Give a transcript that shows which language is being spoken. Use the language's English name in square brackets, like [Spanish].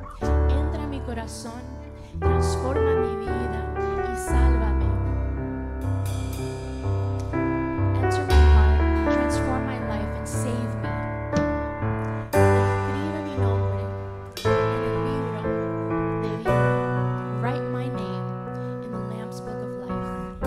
[Spanish] Entra en mi corazón, transforma mi vida y sálvame. [English] Enter my heart, transform my life and save me. [Spanish] Escribe mi nombre en el libro de vida. [English] Write my name in the Lamb's Book of Life.